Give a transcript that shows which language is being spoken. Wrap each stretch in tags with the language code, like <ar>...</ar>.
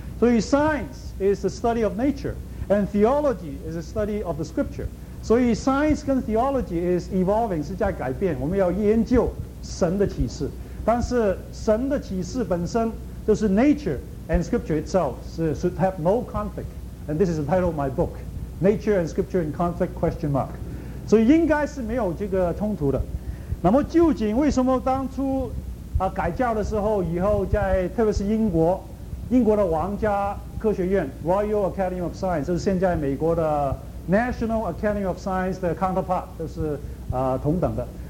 <en>所以 science is the study of nature and theology is the study of the scripture。</en> <zh>所以 science 跟 theology</zh> <en>is evolving，</en> <zh>是在改变，我们要研究神的启示。但是神的启示本身就是</zh> <en>nature and scripture itself， should have no conflict。 And this is the title of my book， Nature and Scripture in Conflict ?</en> <zh>所以应该是没有这个冲突的。那么究竟为什么当初改教的时候，以后在特别是英国的皇家科学院 Royal Academy of Science， 就是现在美国的 National Academy of Science 的 counterpart， 就是同等的。</zh>